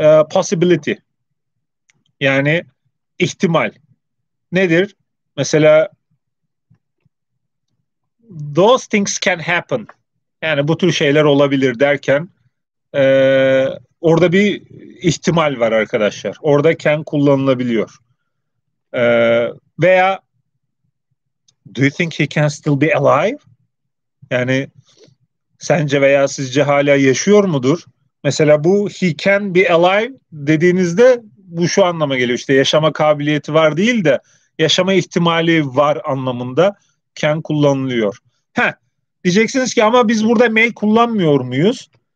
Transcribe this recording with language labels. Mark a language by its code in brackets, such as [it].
[tr] Possibility. Yani ihtimal. Nedir? Mesela [en] those things can happen. [tr] Yani bu tür şeyler olabilir derken orada bir ihtimal var arkadaşlar. Orada can kullanılabiliyor. Veya [en] do you think he can still be alive? [tr] Yani sence veya sizce hala yaşıyor mudur? Mesela bu [en] he can be alive [tr] dediğinizde bu şu anlama geliyor. İşte yaşama kabiliyeti var değil de yaşama ihtimali var anlamında can kullanılıyor. Diyeceksiniz ki ama biz burada may kullanmıyor muyuz?